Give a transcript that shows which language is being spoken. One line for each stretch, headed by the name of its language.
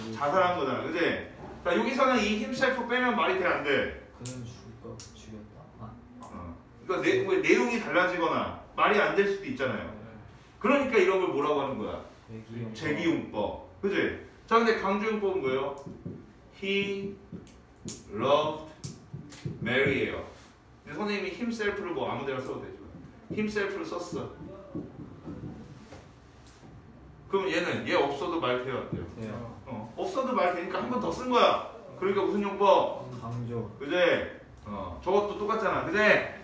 Korean: 자살한 거잖아, 그지? 자, 여기서는 이 himself 빼면 말이 돼, 안 돼? 그는 죽였다? 아. 그러니까 내용이 달라지거나 말이 안 될 수도 있잖아요. 그러니까 이런 걸 뭐라고 하는 거야? 제기용법. 그치? 자, 근데 강조용법은 뭐예요?
English: He loved Mary
Korean: 예요. 근데 선생님이 himself를 뭐 아무데나 써도 되죠. himself를 썼어. 그럼 얘는 얘 없어도 말 돼요, 안 돼요? 돼요. 없어도 말 되니까 한 번 더 쓴 거야. 그러니까 무슨 용법? 강조. 그제? 저것도 똑같잖아, 그제?